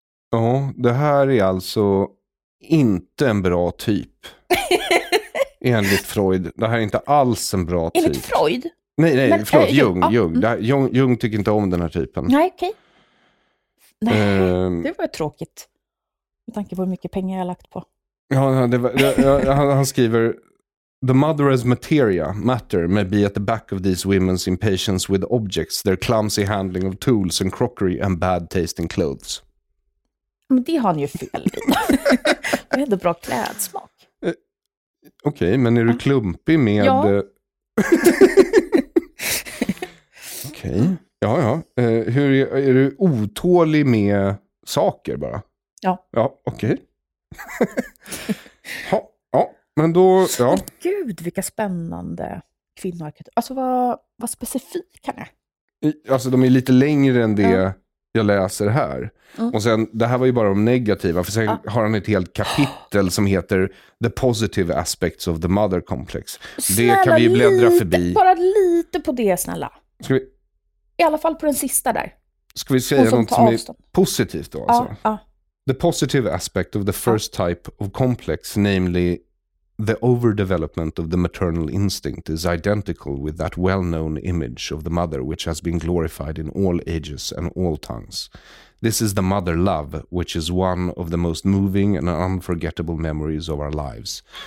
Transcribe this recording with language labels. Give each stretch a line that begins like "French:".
Swedish: Ja, det här är alltså inte en bra typ. Enligt Freud. Det här är inte alls en bra typ. Enligt Freud? Nej, men, förlåt. Jung. Mm. Här, Jung tycker inte om den här typen. Nej, okej. Det var ju tråkigt. Med tanke på hur mycket pengar jag har lagt på. Ja, han skriver
English: the mother as materia matter may be at the back of these women's impatience with objects, their clumsy handling of tools and crockery and bad taste in clothes.
Swedish: Men det har han ju fel. Det är ändå bra klädsmak. Okej, okay, men är du klumpig med... Ja. Okej. Okay. Ja. Hur är du otålig med saker bara? Ja. Ja, okej. Okay. Ja, men då Gud, vilka spännande kvinnoarketyper. Alltså vad specifik kan jag? Alltså de är lite längre än det jag läser här. Mm. Och sen, det här var ju bara de negativa, för sen har han ett helt kapitel som heter
English: The Positive Aspects of the Mother Complex.
Swedish: Snälla, det kan vi ju bläddra förbi. Bara lite på det, snälla. Ska vi... I alla fall på den sista där. Ska vi säga något som är positivt då? Alltså? Ja.
English: The positive aspect of the first type of complex, namely the overdevelopment of the maternal instinct, is identical with that well-known image of the mother which has been glorified in all ages and all tongues. This is the mother love, which is one of the most moving and unforgettable memories of our lives.